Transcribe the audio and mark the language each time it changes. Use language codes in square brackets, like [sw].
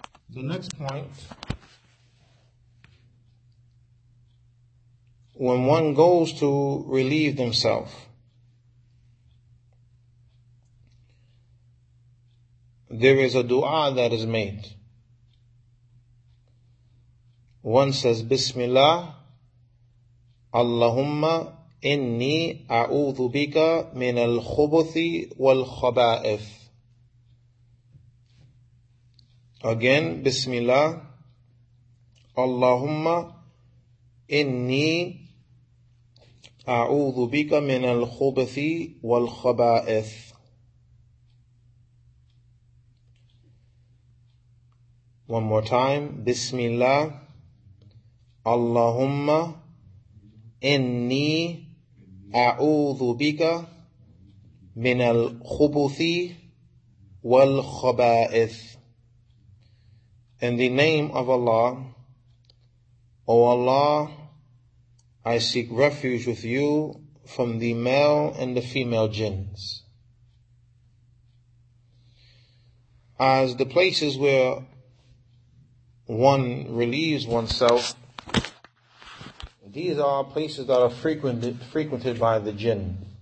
[en] The next point, when one goes to relieve themselves, there is a dua that is made. One says, [ar] Bismillah, Allahumma, إني أعوذ بك من الخبث والخبائث. [en] Again, [ar] بسم الله. اللهم إني أعوذ بك من الخبث والخبائث. [en] One more time. [ar] بسم الله. اللهم إني أعوذ بك من الخبث والخبائث. [en] In the name of Allah, O Allah, I seek refuge with you from the male and the female jinns. As the places where one relieves oneself, these are places that are frequented by the jinn.